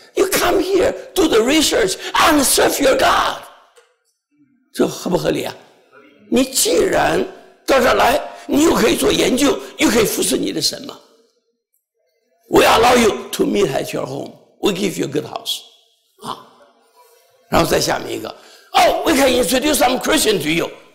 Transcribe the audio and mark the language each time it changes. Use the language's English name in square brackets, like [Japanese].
[English] You come here, do the research, and serve your God. [Chinese] 这合不合理啊？你既然到这儿来，你又可以做研究，又可以服侍你的神嘛。 [English] We allow you to meet at your home. We give you a good house. [Chinese] 啊，然后再下面一个。 [English] Oh, we can introduce some Christian to you.